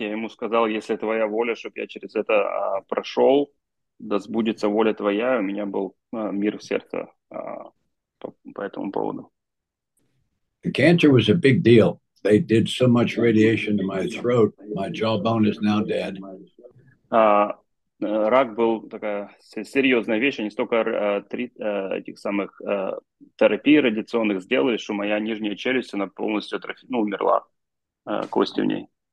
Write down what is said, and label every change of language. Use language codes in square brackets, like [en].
[ru] Я ему сказал, если твоя воля, чтобы я через это прошел, да сбудется воля твоя. У меня был мир в сердце по этому поводу. [en] The cancer was a big deal. They did so much radiation to my throat. My jawbone is now dead. [ru] Рак был такая серьезная вещь, они столько этих самых терапий радиационных сделали, что моя нижняя челюсть, она полностью умерла, кости в ней.